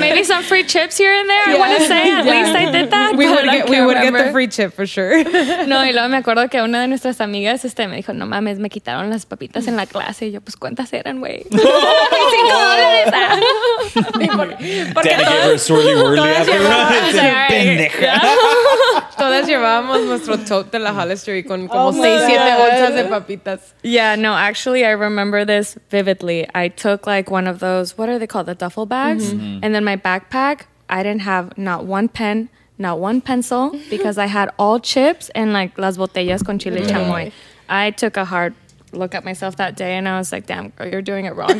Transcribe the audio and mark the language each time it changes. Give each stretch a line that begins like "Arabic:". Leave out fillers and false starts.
English: Maybe some free chips here and there, yeah. I want to say. At least I did that. We would get the free chip, for sure.
Spanish: No, y luego me acuerdo que una de nuestras amigas me dijo, no mames, me quitaron las papitas en la clase. Y yo, pues, ¿cuántas eran, güey?
English: $5. Danny gave her a swirly whirly after that.
Spanish: Todas llevábamos nuestro tote de la Hollister y con como 6-7 onzas de papitas.
English: Yeah, no, actually, I remember this vividly. I took like one of those, what are they called? The duffel bags. Mm-hmm. And then my backpack, I didn't have not one pen, not one pencil, because I had all chips and like
Spanish: las botellas con chile chamoy.
English: I took a hard look at myself that day and I was like, damn girl, you're doing it wrong.